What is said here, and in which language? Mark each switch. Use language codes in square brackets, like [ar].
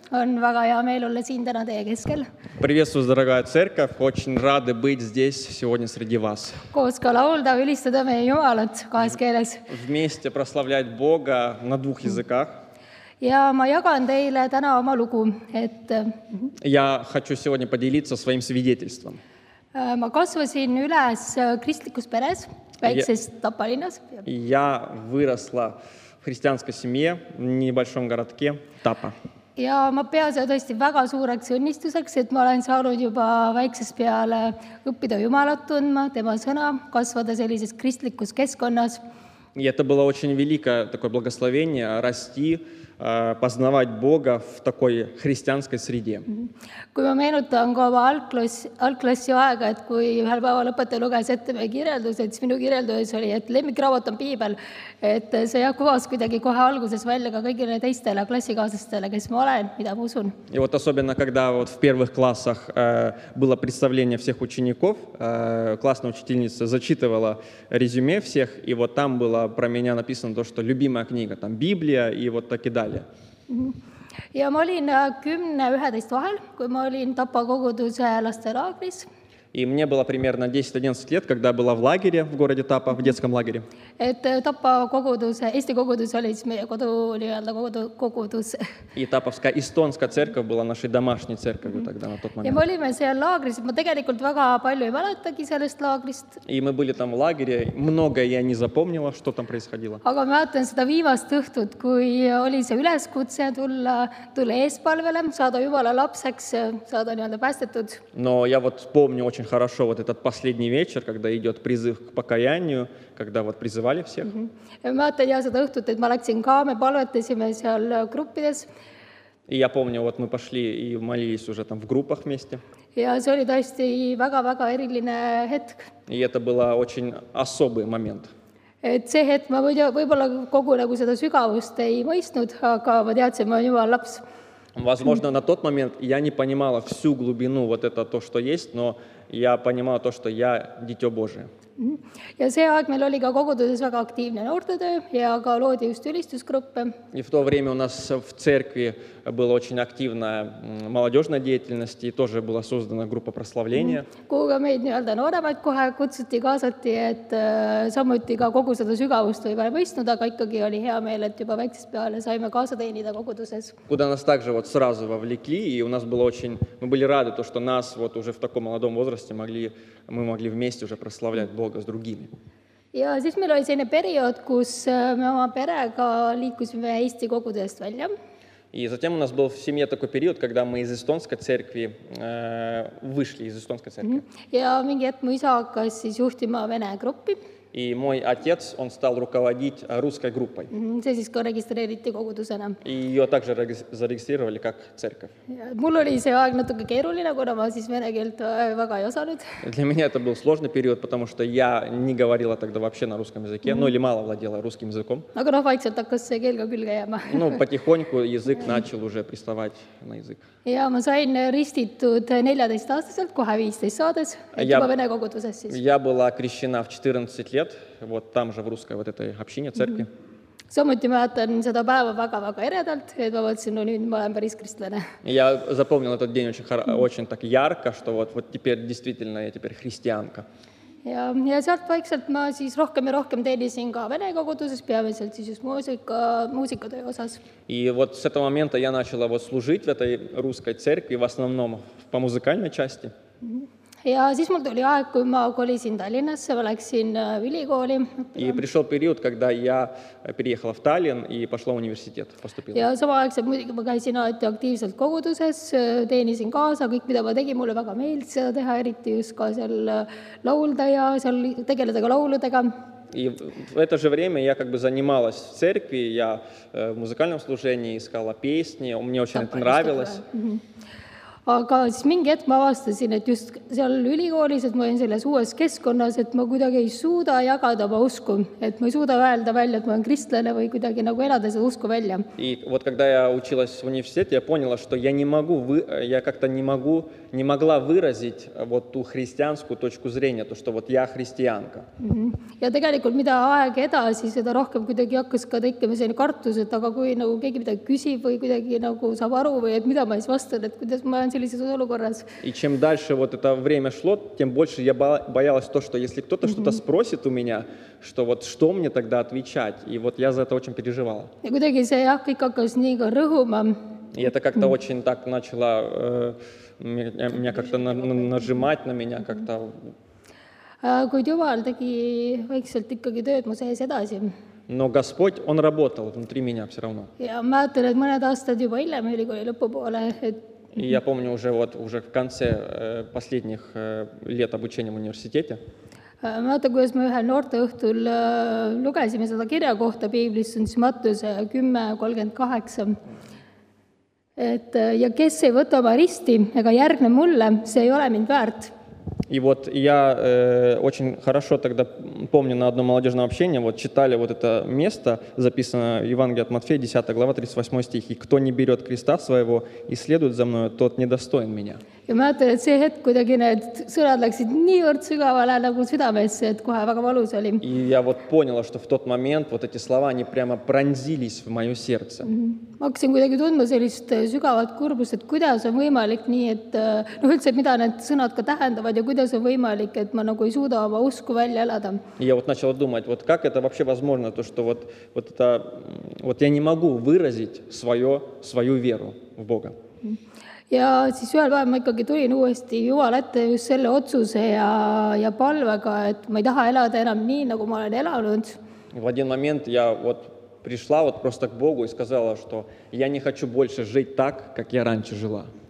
[et] On väga hea meel olla siin täna teie keskel. [ru] Приветствую, дорогая церковь! Очень рады быть здесь сегодня среди вас. [et] Koos ka laulda, ülistada meie Jumalat kahes keeles. [ru] Вместе прославлять Бога на двух языках. [et] Ja ma jagan teile täna oma lugu, et... [ru] Я хочу сегодня поделиться своим свидетельством. [et] Ma kasvasin üles kristlikus peres, väikses Tapalinnas. [ru] Я выросла... в христианской семье, в небольшом городке Тапа. [et] Ja ma pean seda tõesti väga suureks õnnistuseks, et ma olen saanud juba väikses peale õppida Jumalat tundma, tema sõna, kasvada sellises kristlikus keskkonnas. [ru] И это было очень великое такое благословение расти, познавать Бога в такой христианской среде. [et] Kui ma meenutan ka oma algklassi aega, et kui ühel päeval õpetaja luges ette meie kirjeldus, et siis minu kirjeldus oli, et lemmikraamat on piibel, et see jah kuvas kuidagi kohe alguses välja ka kõigile teistele klassikaaslastele, kes ma olen, mida ma usun. [ru] И вот особенно, когда вот в первых классах было представление всех учеников, классная учительница зачитывала резюме всех, и вот там было про меня написано то, что любимая книга, там Библия и вот так и далее. [et] Ja ma olin 10-11 vahel, kui ma olin Tapa koguduse lastelaagris. [ru] И мне было примерно 10-11 лет, когда была в лагере в городе Тапа, в детском лагере. [et] Et Tapa koguduse, Eesti kogudus oli siis meie kodu, nii-öelda kogudus. [ru] И Tapovska Estonska церковь была нашей домашней церковью тогда, на тот момент. [et] Ja me olime seal laagris, ma tegelikult väga palju ei mäletagi sellest laagrist. [ru] И мы были там в лагере, много я не запомнила, что там происходило. [et] Aga ma mäletan seda viimast õhtud, kui oli see üleskutse tulla eespalvele, saada Jumala lapseks, saada nii-öelda päästetud. [ru] No я вот помню очень хорошо вот этот последний вечер, когда идет призыв к покаянию, когда вот призывали всех. [et] Ma mäletan jah seda õhtut, et ma läksin ka, me palvetasime seal gruppides. [ru] И я помню, вот мы пошли и молились уже там в группах вместе. [et] Ja see oli tõesti väga-väga eriline hetk. [ru] И это было очень особый момент. [et] Et see hetk, ma võib-olla kogu nagu seda sügavust ei mõistnud, aga ma teadsin, et ma olen Jumal laps. [ru] Возможно, на тот момент я не понимала всю глубину вот это то, что есть, но я понимала то, что я дитё Божие. [et] Ja see aeg meil oli ka koguduses väga aktiivne noortetöö ja ka loodi just ülistusgruppe. [ru] И в то время у нас в церкви была очень активная молодежная деятельность и тоже была создана группа прославления. [et] Kuhu ka meid nii-öelda nooremaid kohe kutsuti, kaasati, et samuti ka kogu seda sügavust või pole mõistnud, aga ikkagi oli hea meel, et juba väikses peale saime kaasa teenida koguduses. [ru] Куда нас также вот сразу вовлекли, и у нас было очень, мы были рады, то, что нас вот уже в таком молодом возрасте могли, мы могли вместе уже прославлять Бога с другими. [et] Ja siis meil oli selline periood, kus me oma perega liikusime Eesti kogudest välja. [ru] И затем у нас был в семье такой период, когда мы из эстонской церкви вышли из эстонской церкви. [et] Ja mingi hetk mu isa hakkas siis juhtima vene gruppi. [ru] И мой отец, он стал руководить русской группой. [et] See siis ka registreeriti kogudusena. [ru] И ее также зарегистрировали как церковь. [et] Ja, mul oli see aeg natuke keeruline, kuna ma siis vene keelt väga ei osanud. [ru] Для меня это был сложный период, потому что я не говорила тогда вообще на русском языке, ну или мало владела русским языком. [et] Aga noh, vaikselt hakkas see keel ka külge jääma. [ru] Ну, потихоньку язык начал уже приставать на язык. [et] Ja ma sain ristitud 14-aastaselt, kohe 15 saades, et juba vene koguduses siis. [ru] Я была крещена в 14 лет, вот там же в русской вот этой общине, церкви. [et] Samuti mäletan seda päeva väga-väga eredalt, et ma võtsin, no nüüd ma olen päris kristlane. [ru] Я запомнил этот день очень так ярко, что вот теперь действительно я теперь христианка. [et] Ja sealt vaikselt ma siis rohkem ja rohkem teenisin ka vene koguduses, peamiselt siis just muusikatöö osas. [ru] И вот с этого момента я начала вот служить в этой русской церкви, в основном по музыкальной части. [et] Ja siis mul tuli aeg, kui ma kolisin Tallinnasse, ma läksin ülikooli. [ru] И пришел период, когда я переехала в Таллин и пошла в университет, поступила. [et] Ja sama aegselt muidugi ma käisin aeti aktiivselt koguduses, teenisin kaasa, kõik, mida ma tegin, mulle väga meeldis seda teha, eriti just ka seal laulda ja seal tegeleda ka lauludega. [ru] И в это же время я как бы занималась в церкви, я в музыкальном служении искала песни, мне очень это нравилось. [et] Aga siis mingi hetk ma avastasin, et just seal ülikoolis, et ma olen selles uues keskkonnas, et ma kuidagi ei suuda jagada oma usku, et ma ei suuda öelda välja, et ma olen kristlane või kuidagi nagu elada seda usku välja. [ru] И вот когда я училась в университете, я поняла, что я не могу, я как-то не могла выразить вот ту христианскую точку зрения, то, что вот я христианка. [et] Ja tegelikult, mida aeg edasi, seda rohkem kuidagi hakkas ka tekkema selline kartus, et aga kui nagu keegi midagi küsib või kuidagi nagu saab aru või et mida ma siis vastan, et kuidas ma [ru] И чем дальше вот это время шло, тем больше я боялась то, что если кто-то что-то спросит у меня, что вот что мне тогда отвечать. И вот я за это очень переживала. И это как-то очень так начало меня как-то нажимать на меня как-то. [et] Kuid juval tegi vaikselt ikkagi tööd mu sees edasi. [ru] Но Господь, Он работал внутри меня все равно. [et] Ja mäletan, et mõned aastad juba hiljem ülikooli lõpupoole, et [ru] И я помню уже вот уже в конце последних лет обучения в университете. [et] Мата, kuidas ma ühel noorte õhtul lugesime seda kirja kohta Biiblis, on siis Mattuse 10:38. Et ja kes ei võta oma risti, ega järgne mulle, see ei ole mind väärt. [ru] И вот я очень хорошо тогда помню на одном молодежном общении, вот читали вот это место, записано в Евангелии от Матфея, 10 глава, 38 стих. «И кто не берет креста своего и следует за мною, тот недостоин меня». [et] Ja ma ütlen, et see hetk kuidagi need sõnad läksid nii võrd sügavale nagu südamesse, et kohe väga valus oli. [ru] И я вот поняла, что в тот момент вот эти слова, они прямо пронзились в мое сердце. [et] Ma hakkasin kuidagi tundma sellist sügavalt kurbust, et kuidas on võimalik nii, et noh, üldse, mida need sõnad ka tähendavad ja kuidas on võimalik, et ma nagu ei suuda oma usku välja elada. [ru] Я вот начала думать, вот как это вообще возможно, то, что вот, вот это, вот я не могу выразить свою веру в Бога. [et] Ja siis ühel päeval ma ikkagi tulin uuesti Jumal ette just selle otsuse ja palvega, et ma ei taha elada enam nii, nagu ma olen elanud. [ru] В один момент я вот пришла вот просто к Богу и сказала, что я не хочу больше жить так, как я раньше жила.